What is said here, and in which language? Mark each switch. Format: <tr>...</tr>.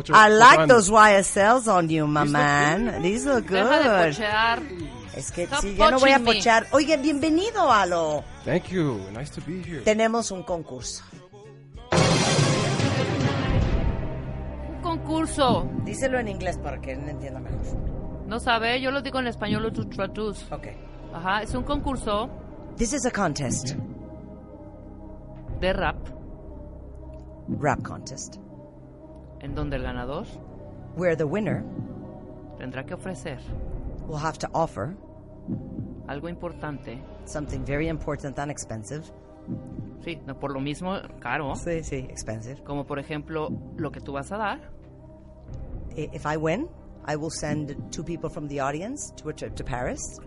<en>I like those YSLs on you, my man. These look good.</en> <es>Deja de pochear. Es que sí, ya no voy a pochear. Oye, bienvenido, Alo.</es> <en>Thank you. Nice to be here.</en> <es>Tenemos un concurso. Concurso. Díselo en inglés para que no entienda mejor. No sabe, yo lo digo en español, lo traduzco.</es> <en>Ok.</en> <es>Ajá, es un concurso.</es> <en>This is a contest.</en> <es>De rap.</es> <en>Rap contest.</en> <es>En donde el ganador.</es> <en>Where the winner.</en> <es>Tendrá que ofrecer.</es> <en>Will have to offer.</en> <es>Algo importante.</es> <en>Something very important and expensive.</en> <es>Sí, no, por lo mismo, caro. Sí, sí, expensive. Como por ejemplo, lo que tú vas a dar.</es> <en>If I win, I will send two people from the audience to a trip to Paris.</en>